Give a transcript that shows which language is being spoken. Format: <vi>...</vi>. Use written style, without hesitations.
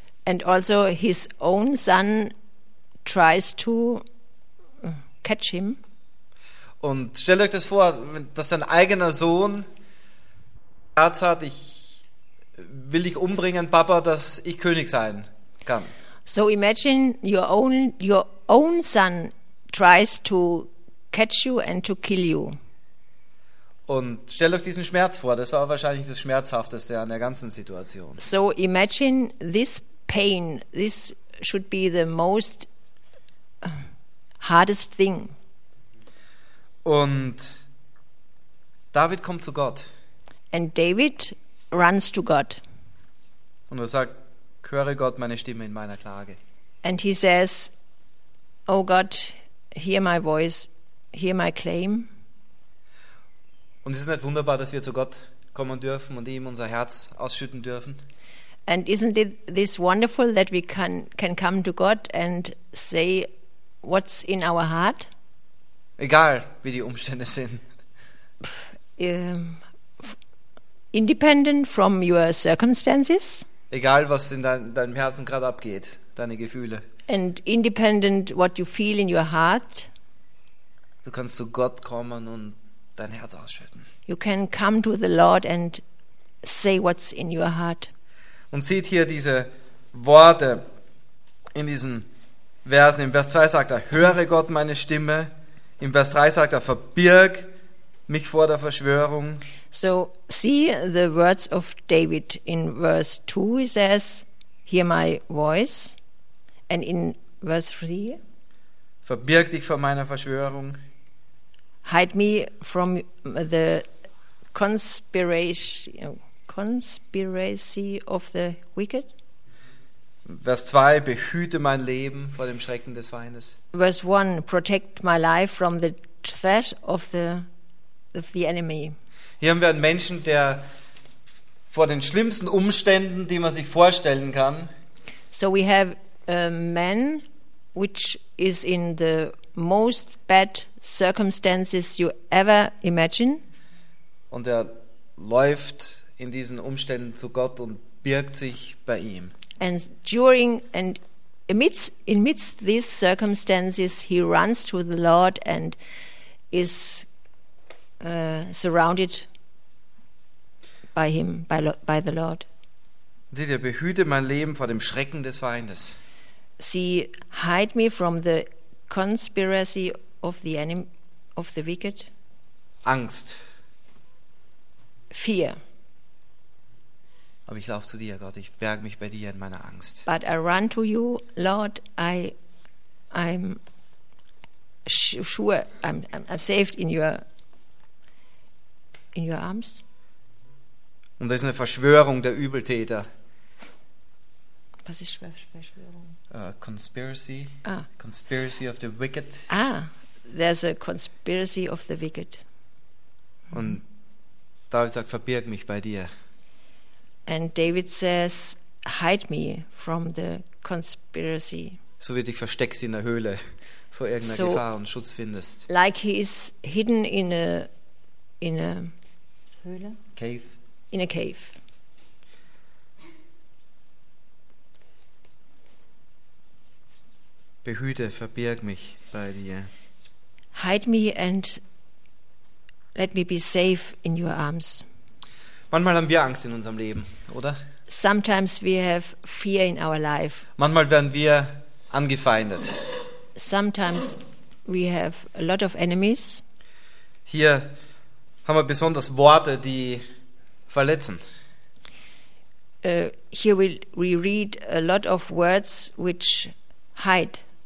<en>And also his own son tries to catch him.</en> <de>Und stellt euch das vor, dass sein eigener Sohn Herz hat, ich will dich umbringen, Papa, dass ich König sein kann.</de> <en>So imagine your own son tries to catch you and to kill you.</en> <de>Und stell euch diesen Schmerz vor, das war wahrscheinlich das Schmerzhafteste an der ganzen Situation.</de> <en>So imagine this pain, this should be the most hardest thing.</en> <de>Und David kommt zu Gott.</de> <en>And David runs to God.</en> <de>Und er sagt, höre Gott meine Stimme in meiner Klage.</de> <en>And he says, oh God, hear my voice, hear my claim.</en> <de>Und ist es nicht wunderbar, dass wir zu Gott kommen dürfen und ihm unser Herz ausschütten dürfen?</de> <en>And isn't it this wonderful that we can come to God and say what's in our heart?</en> <de>Egal, wie die Umstände sind.</de> <en>Independent from your circumstances.</en> <de>Egal, was in deinem Herzen gerade abgeht, deine Gefühle.</de> <en>And independent what you feel in your heart.</en> <de>Du kannst zu Gott kommen und dein Herz ausschütten.</de> <en>You can come to the Lord and say what's in your heart.</en> <de>Und seht hier diese Worte in diesen Versen. Im Vers 2 sagt er, höre Gott meine Stimme. Im Vers 3 sagt er, verbirg mich vor der Verschwörung.</de> <en>So see the words of David in verse 2, he says, hear my voice. And in verse 3,</en> <de>verbirg dich vor meiner Verschwörung.</de> <en>Hide me from the conspiracy of the wicked.</en> <de>Vers 2, behüte mein Leben vor dem Schrecken des Feindes.</de> <en>Verse 1, protect my life from the threat of the enemy.</en> <de>Hier haben wir einen Menschen, der vor den schlimmsten Umständen, die man sich vorstellen kann.</de> <en>So we have a man which is in the most bad circumstances you ever imagine.</en> <de>Und er läuft in diesen Umständen zu Gott und birgt sich bei ihm.</de> <en>And during and amidst these circumstances he runs to the Lord and is surrounded by him, by the Lord.</en> <de>Seht ihr, behüte mein Leben vor dem Schrecken des Feindes.</de> <en>See, hide me from the conspiracy of the enemy, of the wicked.</en> <de>Angst.</de> <en>Fear.</en> <de>Aber ich laufe zu dir, Gott. Ich berge mich bei dir in meiner Angst.</de> <en>But I run to you, Lord. I'm sure I'm saved in your arms.</en> <de>Und das ist eine Verschwörung der Übeltäter. Was ist Verschwörung?</de> <en>Conspiracy. Ah. Conspiracy of the wicked. Ah, there's a conspiracy of the wicked.</en> <de>Und David sagt, verbirg mich bei dir.</de> <en>And David says, hide me from the conspiracy.</en> <de>So wie dich versteckst in der Höhle vor irgendeiner Gefahr und Schutz findest.</de> <en>Like he is hidden in a Höhle? Cave. In a cave.</en> <de>Behüte, verbirg mich bei dir.</de> <en>Hide me and let me be safe in your arms.</en> <de>Manchmal haben wir Angst in unserem Leben, oder?</de> <en>Sometimes we have fear in our life.</en> <de>Manchmal werden wir angefeindet.</de> <en>Sometimes we have a lot of enemies.</en> <de>Hier haben wir besonders Worte, die verletzen.</de> <en>Here we read a lot of words which hide.</en>